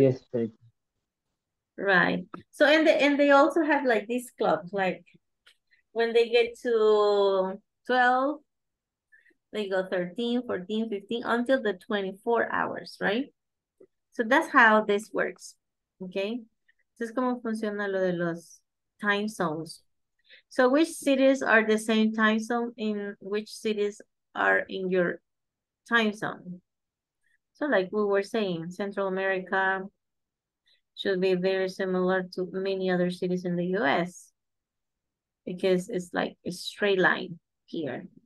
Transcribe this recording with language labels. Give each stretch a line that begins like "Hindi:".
English: Yes, thank you. Right. So, and they also have like these clubs, like when they get to 12, they go 13, 14, 15, until the 24 hours, right? So that's how this works, okay?
Spanish: Es como funciona lo de los time zones.
English: So which cities are the same time zone in which cities are in your time zone? So like we were saying, Central America should be very similar to many other cities in the US because it's like a straight line here.